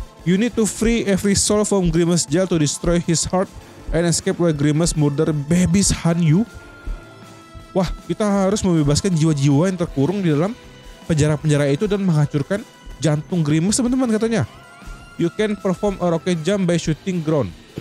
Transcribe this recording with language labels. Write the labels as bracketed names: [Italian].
[English] You need to free every soul from Grimace jail to destroy his heart and escape where Grimace murder babies hunt you. [Indonesian] Wah, kita harus membebaskan jiwa-jiwa yang terkurung di dalam penjara-penjara itu dan menghancurkan jantung Grimace, teman-teman katanya. [English] You can perform a rocket jump by shooting ground.